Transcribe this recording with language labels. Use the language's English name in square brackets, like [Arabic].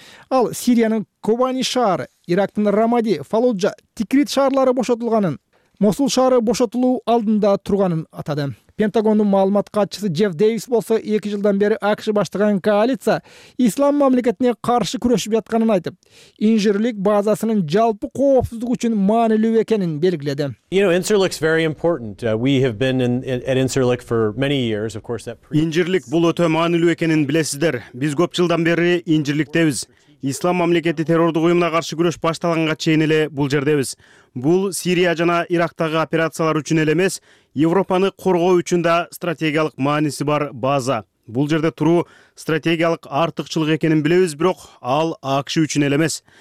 [Kyrgyz] Ал Сириянын Кобани шаары, Ирактын Рамади, Фалуджа, Тикрит шаарлары бошотулганын, Мосул шаары бошотулуу алдында турганын атады. Пентагондун маалымат катчысы Джефф Дэвис болсо, 2 жылдан бери АКШ баштаган коалиция ислам мамлекетине каршы күрөшүп жатканын айтып, инжирлик базасынын жалпы коопсуздук үчүн маанилүү экенин белгиледи. [English] You know, Incirlik's very important. We have been at Incirlik for many years. Of course, that [Kyrgyz] Incirlik бул өтө маанилүү экенин билесиздер. Биз көп жылдан бери инжирликтебиз. Ислам мамлекети террордук уюмуна каршы күрөш башталганга чейин эле бул жердебиз. Бул Сирия жана Ирактагы операциялар үчүн эле эмес, Европаны коргоо үчүн да стратегиялык мааниси бар база. Бул жерде туруу стратегиялык артыкчылык экенин билебиз, бирок ал АКШ үчүн эле эмес.